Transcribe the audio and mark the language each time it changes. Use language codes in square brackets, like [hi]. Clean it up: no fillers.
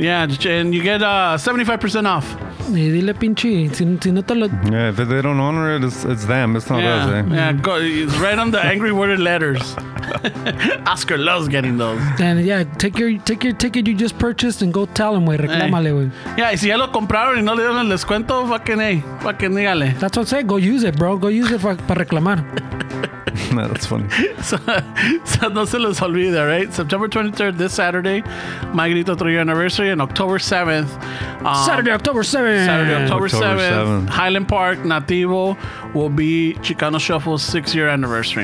[en] Yeah, and you get 75% off. [es] Y dile pinche, si no te lo... [en] Yeah, if they don't honor it, it's them, it's not us, eh? Yeah, write on the angry worded letters. Oscar loves getting those. And yeah, take your ticket you just purchased and go tell him, [es] güey, reclámale, güey. Yeah, y si ya lo compraron y no le dieron el descuento, fucking dígale. [en] That's what I said, go use it, bro, go use it [es] para reclamar. [en] No, that's funny. [es] So no se les olvide, right? [en] September 23rd, this Saturday, My Grito 3-year anniversary, and October 7th. Saturday, October 7th. Highland Park, Nativo, will be Chicano Shuffle's 6-year anniversary.